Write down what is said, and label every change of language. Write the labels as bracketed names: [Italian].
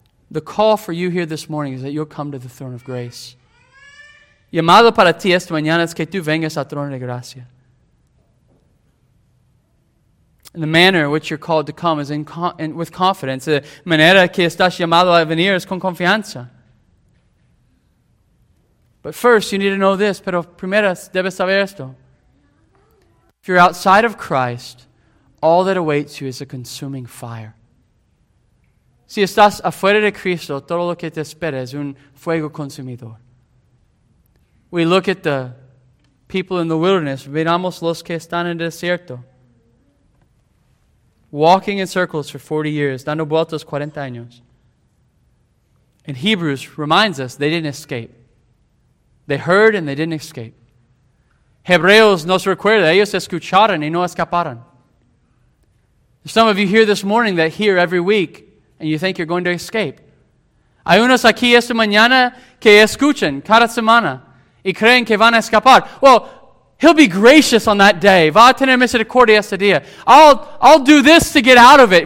[English] The call for you here this morning is that you'll come to the throne of grace. [Spanish] Llamado para ti esta mañana es que tú vengas al trono de gracia. [English] And the manner in which you're called to come is with confidence. [Spanish] La manera que estás llamado a venir es con confianza. [English] But first, you need to know this, [Spanish] pero primero debes saber esto. [English] If you're outside of Christ, all that awaits you is a consuming fire. [Spanish] Si estás afuera de Cristo, todo lo que te espera es un fuego consumidor. [English] We look at the people in the wilderness, [Spanish] miramos los que están en el desierto, [English] walking in circles for 40 years, [Spanish] dando vueltas 40 años. [English] And Hebrews reminds us they didn't escape. They heard and they didn't escape. [Spanish] Hebreos nos recuerda, ellos escucharon y no escaparon. [English] Some of you here this morning that hear every week and you think you're going to escape. [Spanish] Hay unos aquí esta mañana que escuchan cada semana y creen que van a escapar. [English] Well, he'll be gracious on that day. [Spanish] Va a tener misericordia ese día. [English] I'll do this to get out of it.